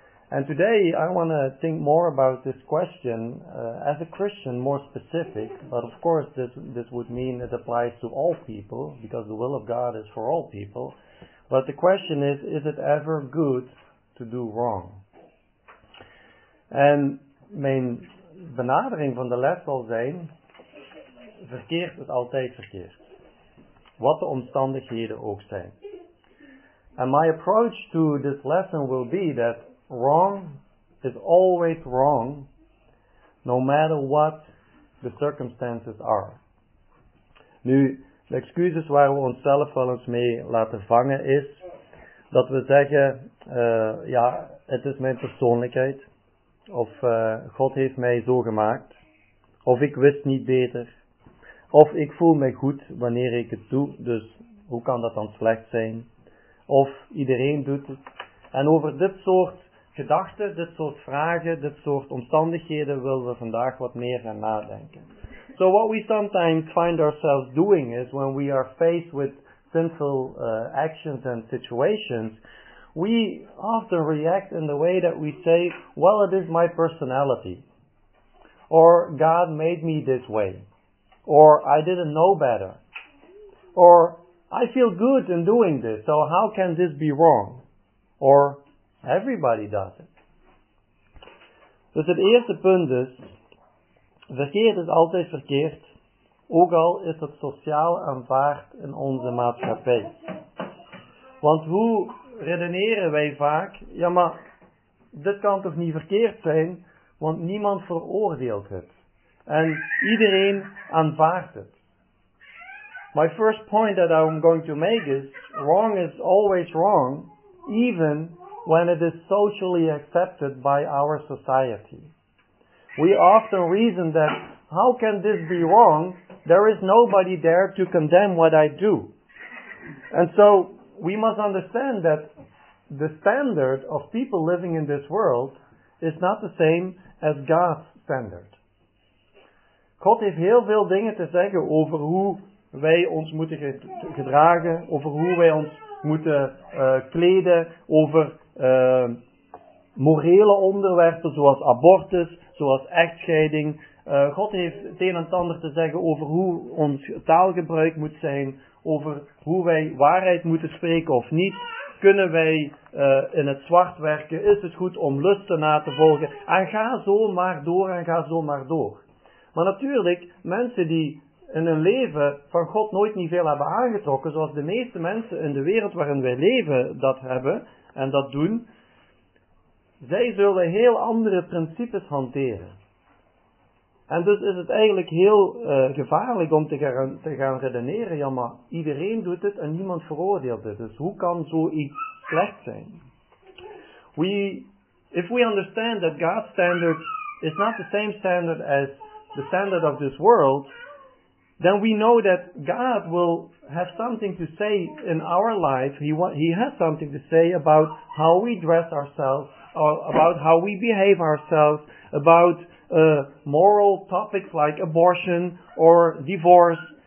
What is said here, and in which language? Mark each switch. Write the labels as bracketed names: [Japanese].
[English] And today I want to think more about this question as a Christian, more specific, but of course this would mean it applies to all people, because the will of God is for all people. But the question is it ever good to do wrong? And [Dutch] mijn benadering van de les zal zijn: verkeerd is altijd verkeerd, wat de omstandigheden ook zijn. [English] And my approach to this lesson will be that wrong is always wrong, no matter what the circumstances are. [Dutch] Nu, de excuses waar we onszelf wel eens mee laten vangen is dat we zeggen, ja, het is mijn persoonlijkheid, of God heeft mij zo gemaakt, of ik wist niet beter, of ik voel mij goed wanneer ik het doe, dus hoe kan dat dan slecht zijn, of iedereen doet het. En over dit soort gedachten, dit soort vragen, dit soort omstandigheden willen we vandaag wat meer gaan nadenken. [English] So what we sometimes find ourselves doing is, when we are faced with sinful actions and situations, we often react in the way that we say, well, it is my personality, or God made me this way, or I didn't know better, or I feel good in doing this, so how can this be wrong, or everybody does it. [Dutch] Dus het eerste punt is: verkeerd is altijd verkeerd, ook al is het sociaal aanvaard in onze maatschappij. Want hoe redeneren wij vaak? Ja, maar dit kan toch niet verkeerd zijn, want niemand veroordeelt het. En iedereen aanvaardt het. [English] My first point that I'm going to make is: wrong is always wrong, even when it is socially accepted by our society. We often reason that, how can this be wrong? There is nobody there to condemn what I do. And so, we must understand that the standard of people living in this world is not the same as God's standard. [Dutch] God heeft heel veel dingen te zeggen over hoe wij ons moeten gedragen, over hoe wij ons moeten kleden, over morele onderwerpen zoals abortus, zoals echtscheiding. God heeft het een en ander te zeggen over hoe ons taalgebruik moet zijn, over hoe wij waarheid moeten spreken of niet. Kunnen wij in het zwart werken? Is het goed om lusten na te volgen? En ga zo maar door en ga zo maar door. Maar natuurlijk, mensen die in hun leven van God nooit niet veel hebben aangetrokken, zoals de meeste mensen in de wereld waarin wij leven dat hebben en dat doen, zij zullen heel andere principes hanteren. En dus is het eigenlijk heel gevaarlijk om te gaan redeneren, ja, maar iedereen doet het en niemand veroordeelt het. Dus hoe kan zoiets slecht zijn? [English] If we understand that God's standard is not the same standard as the standard of this world, then we know that God will have something to say in our life. He has something to say about how we dress ourselves, or about how we behave ourselves, about moral topics like abortion or divorce.